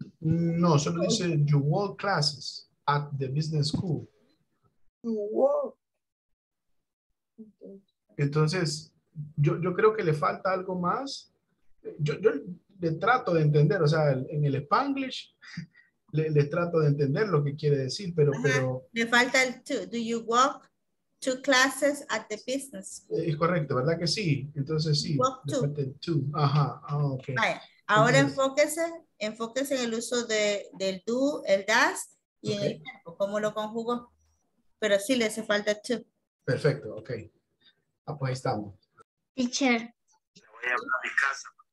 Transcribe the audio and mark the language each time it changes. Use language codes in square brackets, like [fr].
[es] No, solo dice [en] you walk classes at the business school. You walk. [es] Entonces, yo creo que le falta algo más. Yo le trato de entender, o sea, en el Spanglish le trato de entender lo que quiere decir, pero le falta el to. [en] Do you walk to classes at the business school? [es] Es correcto, ¿verdad que sí? Entonces sí. [en] Walk to. Ajá. Oh, okay. [es] Vaya. Ahora enfóquese en el uso del do, el does y en el verbo, cómo lo conjugo. Pero sí le hace falta to. Perfecto, ok. Ah, pues ahí estamos. [en] Teacher. [es] Me voy a hablar de casa.